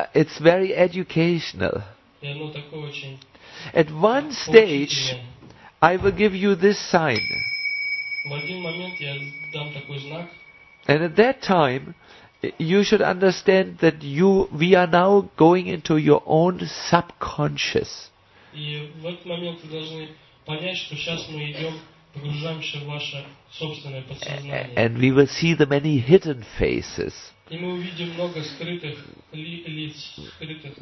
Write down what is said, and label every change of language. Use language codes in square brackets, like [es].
[en] It's very educational. [ru] И оно такое очень... [en] At one stage, I will give you this sign. [ru] В один момент я дам такой знак. [en] And at that time, you should understand that we are now going into your own subconscious. [ru] И в этот момент вы должны понять, что сейчас мы идем, погружаемся в ваше собственное подсознание. [en] And we will see the many hidden faces. [ru] И мы увидим много скрытых лиц, скрытых.